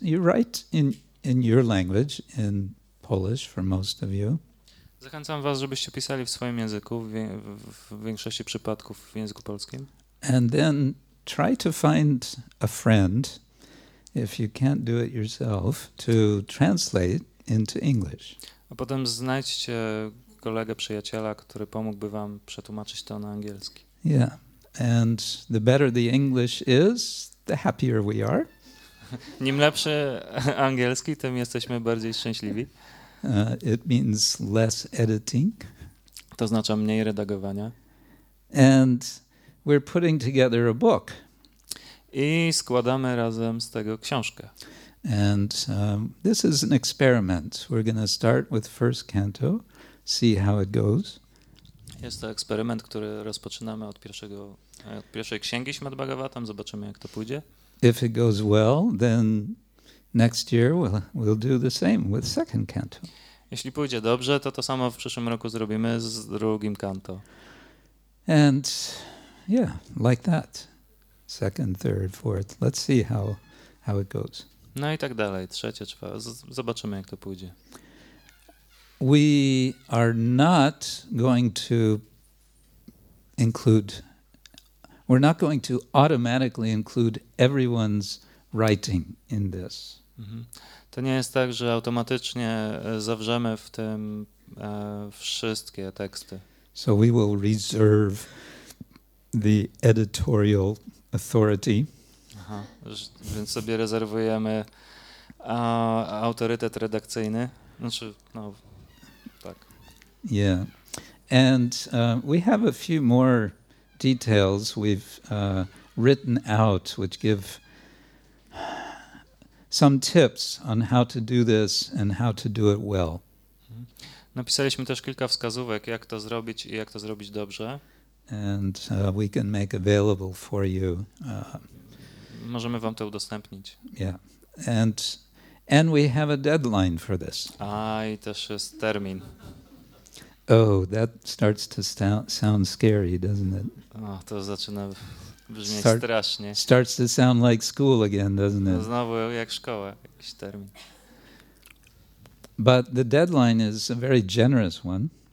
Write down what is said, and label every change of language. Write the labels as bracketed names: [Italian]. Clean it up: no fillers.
[English] You write in your language, in Polish for most of you. [Polish] Zachęcam was, żebyście pisali w swoim języku, w większości przypadków w języku polskim. [English] And then try to find a friend, if you can't do it yourself, to translate into English. [Polish] A potem znajdźcie kolegę, przyjaciela, który pomógłby wam przetłumaczyć to na angielski. [English] Yeah, and the better the English is, the happier we are. [Polish] Nim lepszy angielski, tym jesteśmy bardziej szczęśliwi. [English] It means less editing. [Polish] To oznacza mniej redagowania. [English] And we're putting together a book. [Polish] I składamy razem z tego książkę. [English] And this is an experiment. We're going to start with first canto, see how it goes. [Polish] Jest to eksperyment, który rozpoczynamy od pierwszej księgi Śrimad Bhagavatam. Zobaczymy, jak to pójdzie. [English] If it goes well, then next year we'll do the same with second canto. [Polish] Jeśli pójdzie dobrze, to samo w przyszłym roku zrobimy z drugim canto. [English] And yeah, like that. Second, third, fourth. Let's see how it goes. [Polish] No i tak dalej. Trzecie, czwarte. Zobaczymy, jak to pójdzie. [English] We are not going to include. We're not going to automatically include everyone's writing in this. Mm-hmm. [Polish] To nie jest tak, że automatycznie zawrzemy w tym wszystkie teksty. [English] So we will reserve the editorial authority. [Polish] Aha, więc sobie rezerwujemy autorytet redakcyjny. Znaczy, no, tak. [English] Yeah. And we have a few more details we've written out, which give some tips on how to do this and how to do it well. [Polish] Napisaliśmy też kilka wskazówek, jak to zrobić i jak to zrobić dobrze. [English] And we can make available for you. [Polish] Możemy wam to udostępnić. [English] Yeah. And we have a deadline for this. [Polish] A, i też jest termin. [English] Oh, that starts to sound scary, doesn't it? [Polish] Oh, to zaczyna brzmieć strasznie. [English] Starts to sound like school again, doesn't it? [Polish] Znowu jak szkoła, jakiś termin. [English] But the deadline is a very generous one.